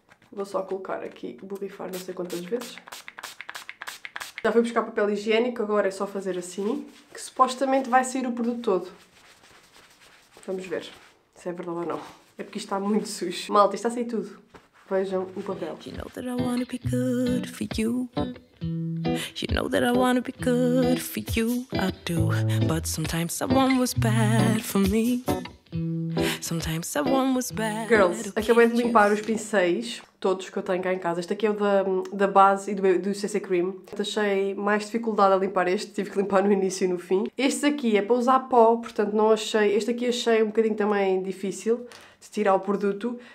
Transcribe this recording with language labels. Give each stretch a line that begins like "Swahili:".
Portuguese: Vou só colocar aqui, borrifar não sei quantas vezes. Já fui buscar papel higiênico, agora é só fazer assim, que supostamente vai sair o produto todo. Vamos ver se é verdade ou não. É porque isto está muito sujo. Malta, isto está a sair tudo. Vejam o papel.
English: You know that I wanna be good for you. You know that I wanna be good for you, I do. But sometimes someone was bad for me. Sometimes someone was bad.
Portuguese: Girls, acabei de limpar os pincéis, todos que eu tenho cá em casa. Este aqui é o da base e do CC Cream. Achei mais dificuldade a limpar este, tive que limpar no início e no fim. Este aqui é para usar pó, portanto não achei. Este aqui achei um bocadinho também difícil de tirar o produto.